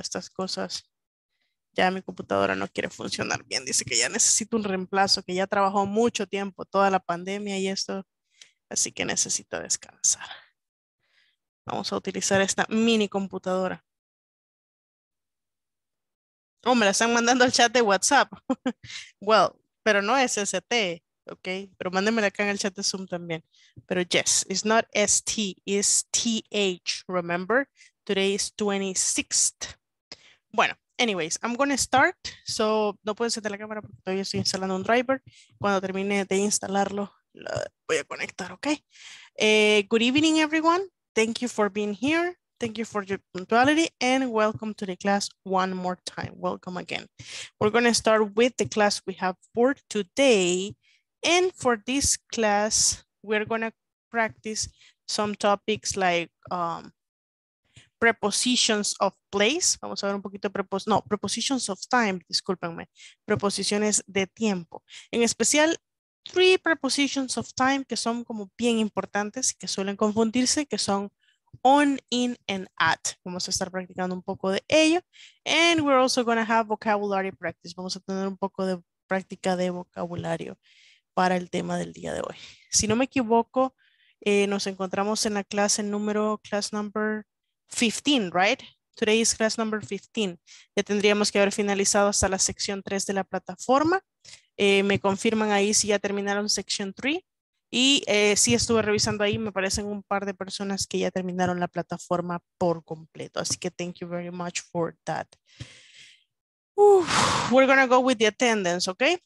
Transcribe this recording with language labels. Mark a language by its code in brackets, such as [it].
[es] Estas cosas, ya mi computadora no quiere funcionar bien, dice que ya necesito un reemplazo, que ya trabajó mucho tiempo, toda la pandemia y esto, así que necesito descansar. Vamos a utilizar esta mini computadora. Oh, me la están mandando al chat de WhatsApp. Well, pero no es ST. Ok, pero mándenmela acá en el chat de Zoom también. [en] Pero yes, it's not ST, it's TH, remember? Today is 26th. Bueno, anyways, I'm going to start. [es] So, no puedo encender la cámara porque todavía estoy instalando un driver. Cuando termine de instalarlo, Voy a conectar, [en] okay. Good evening, everyone. Thank you for being here. Thank you for your punctuality and welcome to the class one more time. Welcome again. We're going to start with the class we have for today. And for this class, we're going to practice some topics like prepositions of place. [es] Vamos a ver un poquito [en] prepositions of time, [es] discúlpenme. Preposiciones de tiempo. En especial, [en] three prepositions of time [es] que son como bien importantes y que suelen confundirse, que son on, in, and at. Vamos a estar practicando un poco de ello. [en] And we're also going to have vocabulary practice. [es] Vamos a tener un poco de práctica de vocabulario para el tema del día de hoy. Si no me equivoco, nos encontramos en la clase número, [en] class number 15, right? Today is class number 15. [es] Ya tendríamos que haber finalizado hasta la sección 3 de la plataforma. Me confirman ahí si ya terminaron sección 3. Y sí estuve revisando ahí, me parecen un par de personas que ya terminaron la plataforma por completo. Así que [en] thank you very much for that. We're going to go with the attendance, okay?